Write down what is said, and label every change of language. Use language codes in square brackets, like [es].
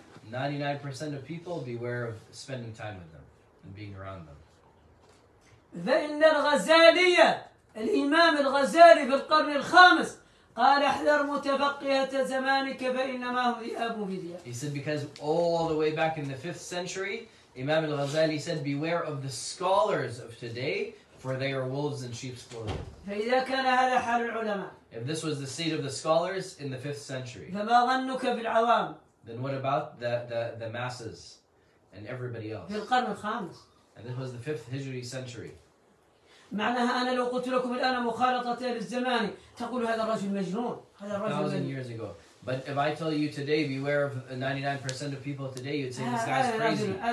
[en] 99% of people beware of spending time with them and being around them. [ar] فإن الغزالية الإمام الغزالي في القرن الخامس. قال احذر متفقهة زمانك فإنما هو ذئاب مبيذ. [en] He said because all the way back in the 5th century, Imam al-Ghazali said, beware of the scholars of today, for they are wolves in sheep's clothing. [ar] فإذا كان هذا حال العلماء. [en] If this was the state of the scholars in the 5th century. [ar] فما ظنك بالعوام. [en] Then what about the masses and everybody else? [ar] في القرن الخامس. [en] And this was the 5th Hijri century. [ar] معناها أنا لو قلت لكم الآن مخالطة للزمان تقول هذا الرجل مجنون. هذا الرجل [en] 1,000 years ago. But if I tell you today, beware of 99% of people today, you'd say this guy's crazy.